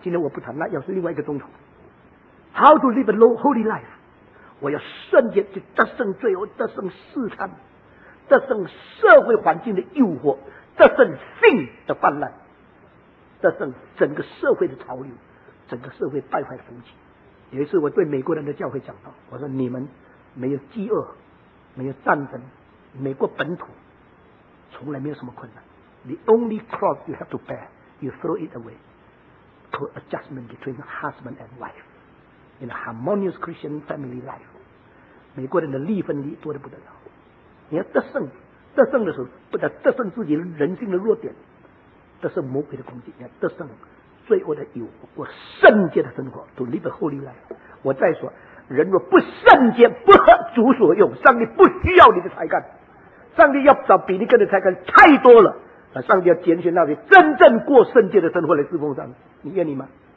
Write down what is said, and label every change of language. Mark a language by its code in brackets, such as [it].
[zh] 今天我不谈，那要是另外一个钟头。 [en] How to live a low holy life， [zh] 我要圣洁，去得胜罪恶，得胜试探，得胜社会环境的诱惑，得胜性的泛滥，得胜整个社会的潮流，整个社会败坏的风气。有一次我对美国人的教会讲到，我说你们没有饥饿，没有战争，美国本土从来没有什么困难。 [en] The only cross you have to bear, you throw it away, for adjustment between husband and wife in a harmonious Christian family life. [zh] 美国人的离婚率多得不得了，你要得胜，得胜的时候不得得胜自己人性的弱点，得胜魔鬼的攻击，你要得胜罪恶的诱惑，过圣洁的生活， [en] to live a holy life。 [zh] 我再说，人若不圣洁，不合主所用，上帝不需要你的才干，上帝要找比你更的才干太多了，上帝要拣选那些真正过圣洁的生活来侍奉上帝，你愿意吗？